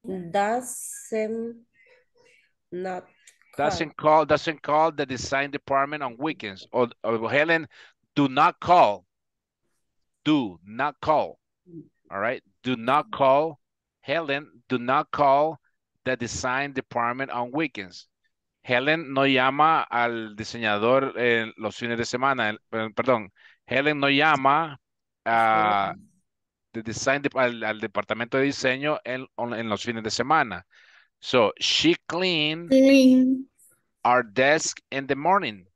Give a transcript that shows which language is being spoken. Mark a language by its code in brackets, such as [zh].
[en] doesn't call the design department on weekends. Or Helen do not call. Do not call. All right. Do not call. Helen, do not call the design department on weekends. [es] Helen no llama al diseñador los fines de semana. Perdón. Helen no llama al departamento de diseño en los fines de semana. [en] So she cleans our desk in the morning.